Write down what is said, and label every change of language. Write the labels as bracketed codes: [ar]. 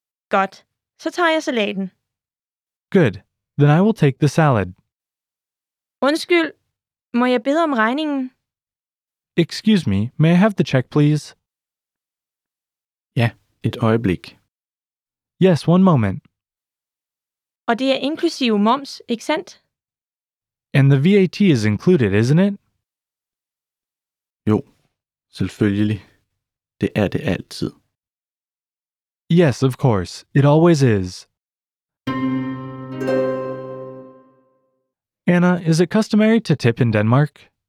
[da] Godt, så tager jeg salaten. [en] Good, then I will take the salad. [da] Undskyld, må jeg bede om regningen? [en] Excuse me, may I have the check, please? [da] Ja, et øjeblik. [en] Yes, one moment. [da] Og det er inklusive moms, ikke sandt? [en] And the VAT is included, isn't it? [da] Jo, selvfølgelig. Det er det altid. [en] Yes, of course. It always is. Anna, is it customary to tip in Denmark?